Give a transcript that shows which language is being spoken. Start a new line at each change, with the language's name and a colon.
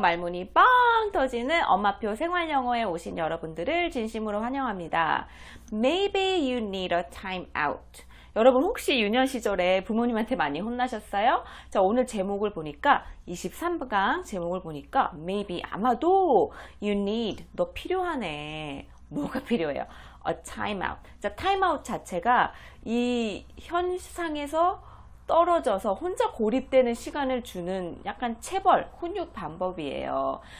Korean: 말문이 뻥 터지는 엄마표 생활 영어에 오신 여러분들을 진심으로 환영합니다.
English: Maybe you need a time out.
Korean: 여러분, 혹시 유년 시절에 부모님한테 많이 혼나셨어요? 자, 오늘 제목을 보니까, 23강 제목을 보니까, maybe, 아마도,
English: you need,
Korean: 너 필요하네. 뭐가 필요해요?
English: A time out.
Korean: 자, time out 자체가 이 현상에서 떨어져서 혼자 고립되는 시간을 주는 약간 체벌, 훈육 방법이에요.